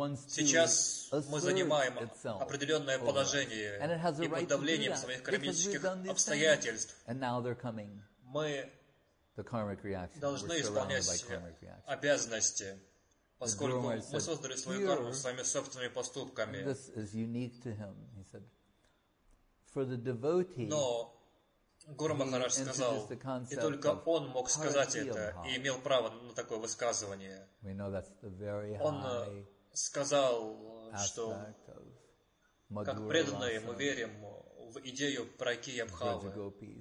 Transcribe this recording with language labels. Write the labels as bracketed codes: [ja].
[ru] Сейчас мы занимаем определенное положение и под давлением своих кармических обстоятельств. Мы должны исполнять обязанности. Поскольку мы создали свою карму своими собственными поступками. [en] This is unique to him, he said. For the devotee, [ru] но Гуру Махарадж сказал, и только он мог сказать это и имел право на такое высказывание. Он сказал, что как преданные мы верим в идею Пракиябхавы.